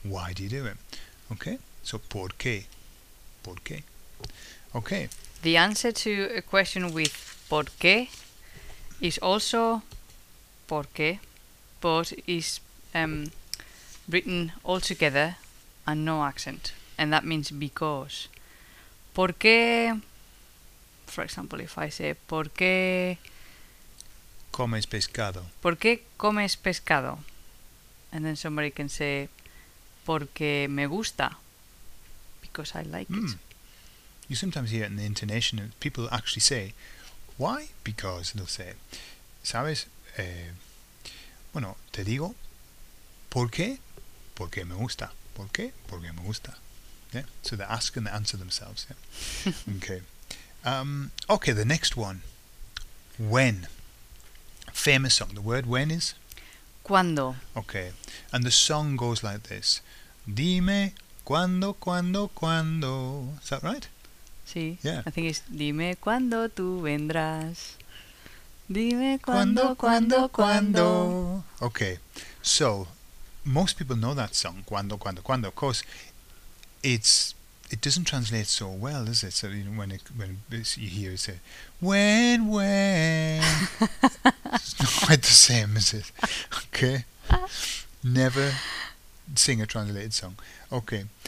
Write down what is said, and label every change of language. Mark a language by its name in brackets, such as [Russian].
[English] Why do you do it? Okay? So ¿por qué? ¿Por qué? Okay. The answer to a question with ¿por qué? Is also ¿por qué? But is written altogether and no accent. And that means because. ¿Por qué? For example, if I say, ¿por qué [Spanish] comes pescado? ¿Por qué comes pescado? [English] And then somebody can say, [Spanish] porque me gusta. [English] Because I like it. You sometimes hear it in the intonation. People actually say, why? Because, they'll say, [Spanish] ¿sabes? Bueno, te digo, ¿por qué? Porque me gusta. ¿Por qué? Porque me gusta. [English] Yeah, so they ask and they answer themselves. Yeah. Okay. Okay, the next one. When. Famous song. The word when is? [Spanish] Cuando. [English] Okay. And the song goes like this. [Spanish] Dime cuando, cuando, cuando. [English] Is that right? [Spanish] Sí. [English] Yeah. I think it's [Spanish] dime cuando tú vendrás. Dime cuando, cuando, cuando. [English] Okay. So, most people know that song. [Spanish] Cuando, cuando, cuando. [English] Of course, it doesn't translate so well, does it? So you know, when you hear it say, when, it's not quite the same, is it? Okay. Never sing a translated song. Okay.